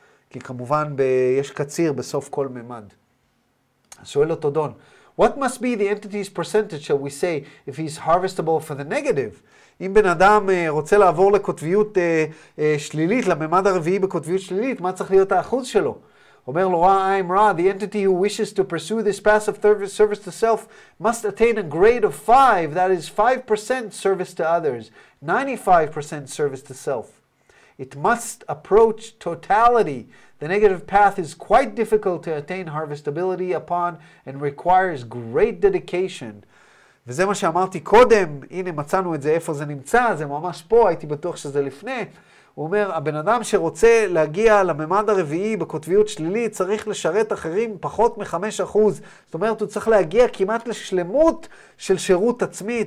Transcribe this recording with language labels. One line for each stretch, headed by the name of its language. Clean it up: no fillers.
Hebrew: כי כמובן יש קציר בסוף כל ממד. שואל אותו דון,
English: what must be the entity's percentage, shall we say, if he's harvestable for the negative?
Hebrew: אם בן אדם רוצה לעבור לקוטביות שלילית, לממד הרביעי בקוטביות שלילית, מה צריך להיות האחוז שלו? אומר לו,
English: I'm Ra, the entity who wishes to pursue this path of service to self must attain a grade of 5, that is 5% service to others, 95% service to self. It must approach totality. The negative path is quite difficult to attain harvestability upon and requires great dedication.
Hebrew: וזה מה שאמרתי קודם, הנה מצאנו את זה, איפה זה נמצא, זה ממש פה, הייתי בטוח שזה לפני. הוא אומר, הבן אדם שרוצה להגיע לממד הרביעי בכותביות שלילי, צריך לשרת אחרים פחות מ-5%. זאת אומרת, הוא צריך להגיע כמעט לשלמות של שירות עצמי.